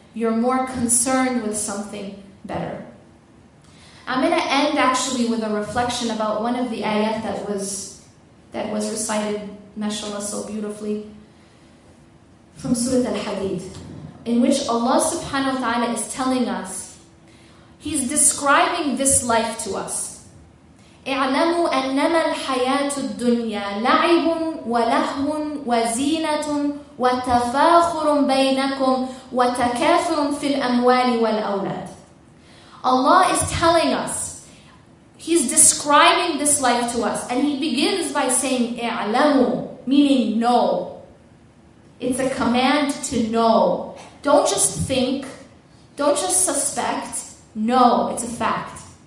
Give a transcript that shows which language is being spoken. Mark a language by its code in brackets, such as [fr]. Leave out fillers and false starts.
[en] You're more concerned with something better. I'm going to end actually with a reflection about one of the ayat that was recited, mashallah, so beautifully, from Surah Al-Hadid, in which Allah subhanahu wa ta'ala is telling us, He's describing this life to us. [ar] اعلموا أنما الحياة الدنيا لعب ولهو وزينة وتفاخر بينكم وتكاثر في الأموال والأولاد. [en] Allah is telling us, He's describing this life to us, and He begins by saying اعلموا, meaning know. It's a command to know. Don't just think, don't just suspect, know, it's a fact.